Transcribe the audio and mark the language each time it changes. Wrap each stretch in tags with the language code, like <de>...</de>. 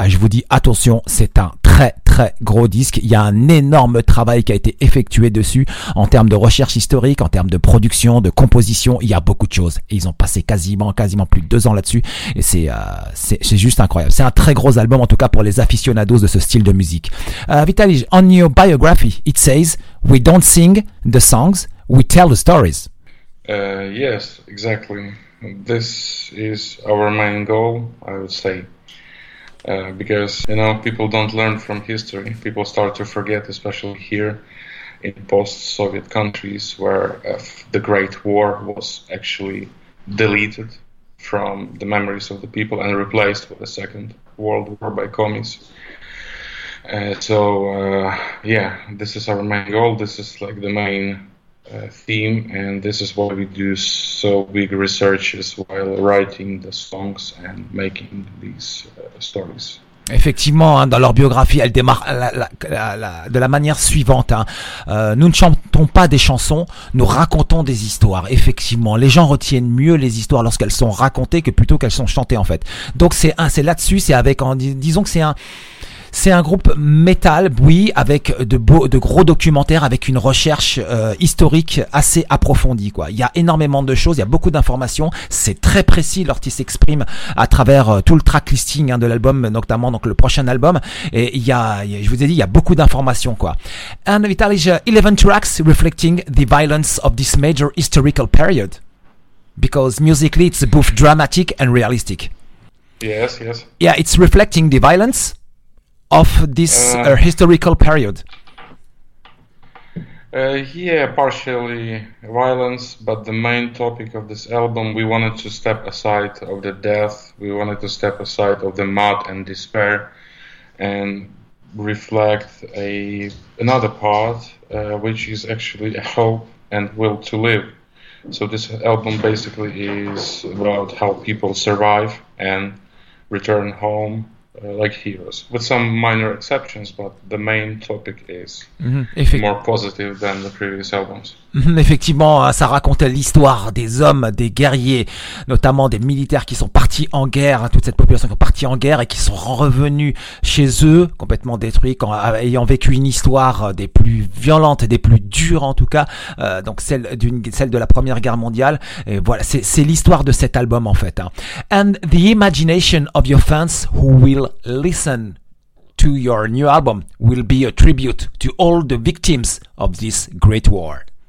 <fr>Je vous dis attention, c'est un très très gros disque. Il y a un énorme travail qui a été effectué dessus en termes de recherche historique, en termes de production, de composition. Il y a beaucoup de choses. Et ils ont passé quasiment plus de 2 ans là-dessus. Et c'est juste incroyable. C'est un très gros album, en tout cas pour les aficionados de ce style de musique.</fr> <en>Vitalij, on your biography, it says, we don't sing the songs, we tell the stories. Yes, exactly. This is our main goal, I would say. Because, you know, people don't learn from history. People start to forget, especially here in post-Soviet countries where the Great War was actually deleted from the memories of the people and replaced with the Second World War by commies. So, this is our main goal. This is like the main theme, and this is why we do so big researches while writing the songs and making these stories.</en> <fr>Effectivement, dans leur biographie, elle démarre de la manière suivante. Nous ne chantons pas des chansons, nous racontons des histoires. Effectivement, les gens retiennent mieux les histoires lorsqu'elles sont racontées que plutôt qu'elles sont chantées, en fait. Donc c'est là-dessus, c'est un groupe métal, oui, avec de gros documentaires, avec une recherche historique assez approfondie, quoi. Il y a énormément de choses, il y a beaucoup d'informations, c'est très précis, l'artiste s'exprime à travers tout le track listing de l'album, notamment donc le prochain album, et je vous ai dit, il y a beaucoup d'informations, quoi.</fr> <en>And Vitalij, 11 tracks reflecting the violence of this major historical period, because musically it's both dramatic and realistic. Yes, yes. Yeah, it's reflecting the violence of this historical period. Partially violence, but the main topic of this album, we wanted to step aside of the death, we wanted to step aside of the mud and despair and reflect another part, which is actually a hope and will to live. So this album basically is about how people survive and return home like heroes, with some minor exceptions, but the main topic is more positive than the previous albums.</en> <fr>Effectivement, ça racontait l'histoire des hommes, des guerriers, notamment des militaires qui sont partis en guerre, toute cette population qui est partie en guerre et qui sont revenus chez eux, complètement détruits, ayant vécu une histoire des plus violentes, des plus dures en tout cas, donc celle de la Première Guerre mondiale. Et voilà, c'est l'histoire de cet album en fait.</fr> <en>And the imagination of your fans who will listen to your new album will be a tribute to all the victims of this great war.</en>